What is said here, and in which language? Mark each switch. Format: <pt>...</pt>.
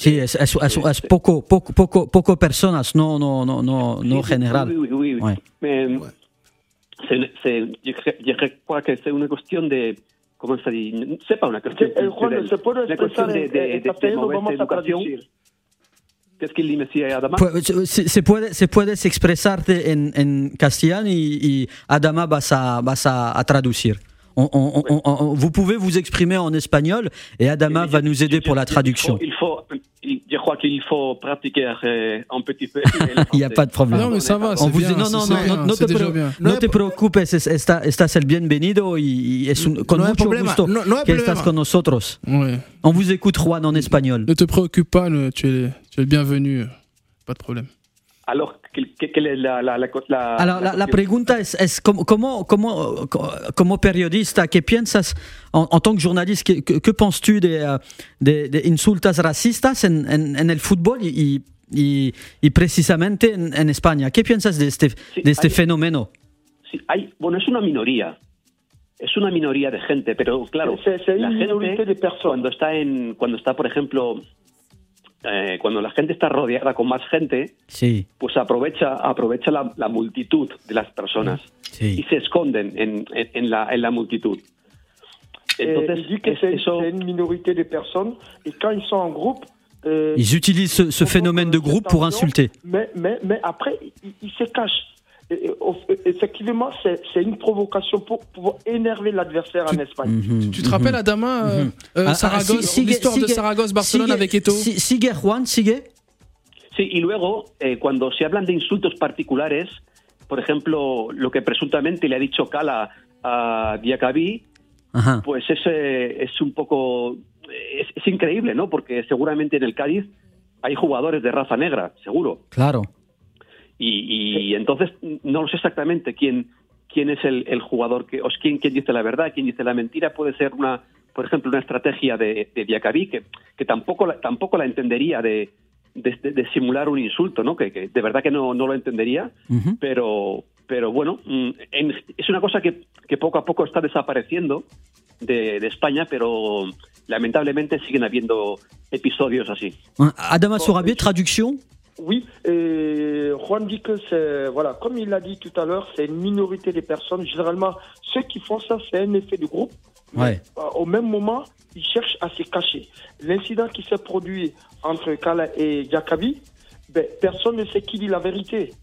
<es>Sí, es poco personas, no general.</es> <fr>Oui. Mais ouais. Je crois que c'est une question de... Comment ça dit? C'est pas une question culturelle. C'est une question de mauvaise éducation. Qu'est-ce qu'il dit, monsieur Adama?</fr> <es>Se puede expresarte en castellano y Adama va a traducir.</es> <fr>Vous pouvez vous exprimer en espagnol et Adama va nous aider pour la traduction. Je crois qu'il faut pratiquer un petit peu. Il n'y a pas de problème. Non, mais ça va, c'est bien.</fr> <es>No te preocupes, estás el bienvenido y es con mucho gusto que estás con nosotros.</es> <fr>On vous écoute, Juan, en espagnol. Ne te préoccupe pas, tu es le bienvenu, pas de problème. Alors, quelle est la</fr> <es>Alors, la pregunta es como periodista, ¿qué piensas,</es> <fr>en tant que journaliste, que penses-tu des insultes racistes</fr> <es>en el fútbol y precisamente en España? ¿Qué piensas de este fenómeno? Sí, es una minoría. Es una minoría de gente, pero claro, la gente de personas cuando está, por ejemplo, cuando la gente está rodeada con más gente, sí, pues aprovecha la multitud de las personas, sí, y se esconden en la multitud. Entonces, dice que es una minoría de personas y cuando están en grupo,</es> <fr>Ils utilisent ce phénomène de groupe pour insulter. Mais après, ils se cachent. Effectivement, c'est une provocation pour énerver l'adversaire en Espagne. Tu te rappelles, Adama, Saragosse, l'histoire de Saragosse-Barcelone avec Eto'o?</fr> <es>Sigue, Juan, sigue. Sí, y luego, cuando se hablan de insultos particulares, por ejemplo, lo que presuntamente le ha dicho Cala a Diakabi, pues ese es un poco... Es increíble, ¿no? Porque seguramente en el Cádiz hay jugadores de raza negra, seguro. Claro. Y entonces no sé exactamente quién es el jugador que quién dice la verdad, quién dice la mentira. Puede ser una, por ejemplo, una estrategia de Diakabi que tampoco la entendería de simular un insulto, ¿no? Que de verdad que no lo entendería, pero bueno, es una cosa que poco a poco está desapareciendo de España, pero lamentablemente siguen habiendo episodios así. Adama Sourabié, traducción.</es> <fr>Oui, Juan dit que c'est, voilà, comme il l'a dit tout à l'heure, c'est une minorité des personnes. Généralement, ceux qui font ça, c'est un effet de groupe. Ouais. Au même moment, ils cherchent à se cacher. L'incident qui s'est produit entre Kala et Diakabi, ben, personne ne sait qui dit la vérité.</fr>